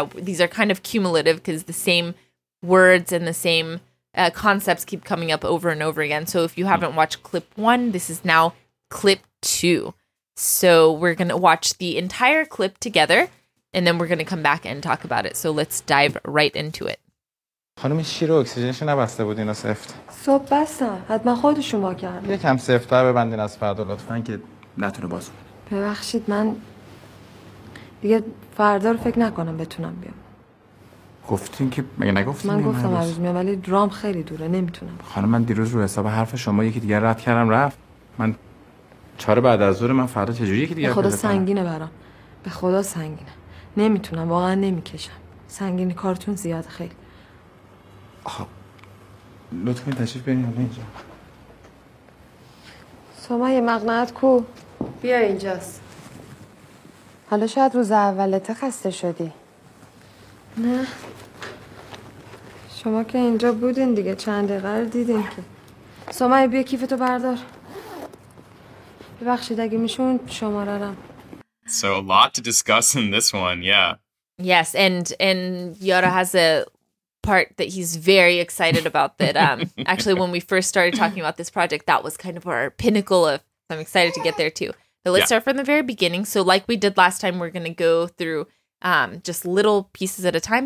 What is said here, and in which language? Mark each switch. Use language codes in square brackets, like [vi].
[en] These are kind of cumulative because the same words and the same concepts keep coming up over and over again. So if you haven't watched clip one, this is now clip two. So we're going to watch the entire clip together, and then we're going to come back and talk about it. So let's dive right into it. [fa] خانمی شیرو اکسیژنش نبسته بود اینا سفت. صبح بستم. حتما خودشون واکردن. یه کم سفت‌تر ببندین از فردا لطفاً که نتونه باز کنه. ببخشید من دیگه فردا رو فکر نکنم بتونم بیام. گفتین که مگه نگفتین من گفتم هر روز میام ولی درام خیلی دوره نمیتونم. خانم من دیروز رو حساب حرف شما یکی دیگه رد کردم رفت. من چهار بعد از ظهر من فردا چجوری یکی دیگه به خدا سنگینه برام. به خدا سنگینه. نمیتونم واقعا نمیکشم. سنگین کارتون زیاد خیلی. لطفا تشریف بیارین حالا اینجا. سمیه مقنعت کو بیا اینجاست. حالا شاید روز اولت خسته شدی. نه شما که اینجا بودین دیگه چند دقیقه رو دیدین که. سمیه بیا کیفتو بردار. ببخشید اگه میشون شماره رم. [en] So a lot to discuss in this one, yeah. Yes, and Yara has a part that he's very excited about that actually when we first started talking about this project, that was kind of our pinnacle of, I'm excited to get there too. But let's start from the very beginning. So like we did last time, we're going to go through just little pieces at a time.